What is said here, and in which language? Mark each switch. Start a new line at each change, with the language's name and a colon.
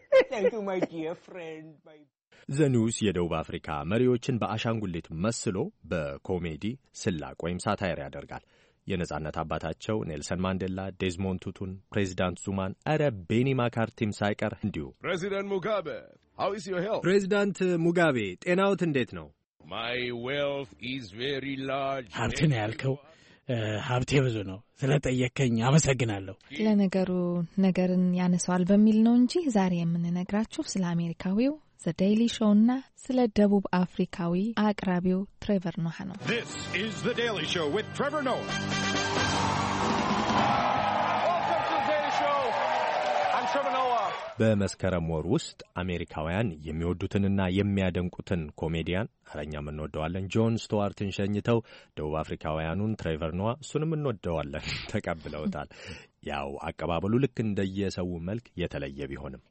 English: Thank you, my dear friend.
Amharic: ዘኒውስ የደቡብ አፍሪካ መሪዎችን በአሻንጉሊት መስሎ በኮሜዲ ስላቅ ወይም ሳታየር ያደርጋል። የነጻነት አባታቸው ኔልሰን ማንዴላ፣ ዴዝሞንድ ቱቱን፣ ፕሬዚዳንት ዙማን፣ አረ ቤኒ ማካርቲም ሳይቀር እንዲሁ።
English: ፕሬዚዳንት ሙጋቤ፣ how is your health?
Amharic: ፕሬዚዳንት ሙጋቤ፣ ጤናዎት እንዴት ነው?
English: My wealth is very large.
Amharic: ሀብት ነው ያልከው? ሀብቴ ብዙ ነው። ስለጠየከኝ አመሰግናለሁ። ለነገሩ ነገርን ያነሳዋል በሚል ነው እንጂ ዛሬ የምንነግራችሁ ስለ አሜሪካዊው ዘ ዴይሊ ሾው እና ስለ ደቡብ አፍሪካዊ አቅራቢው ትሬቨር ኖሃ ነው።
English: This is the Daily Show with Trevor Noah.
Amharic: በመስከረም ወር ውስጥ አሜሪካውያን የሚወዱትንና የሚያደንቁትን ኮሜዲያን አረኛ እንወደዋለን ጆን ስቱዋርትን ሸኝተው ደቡብ አፍሪካውያኑን ትሬቨር ኖዋ እሱንም እንወደዋለን ተቀብለውታል። ያው አቀባበሉ ልክ እንደየሰው መልክ የተለየ ቢሆንም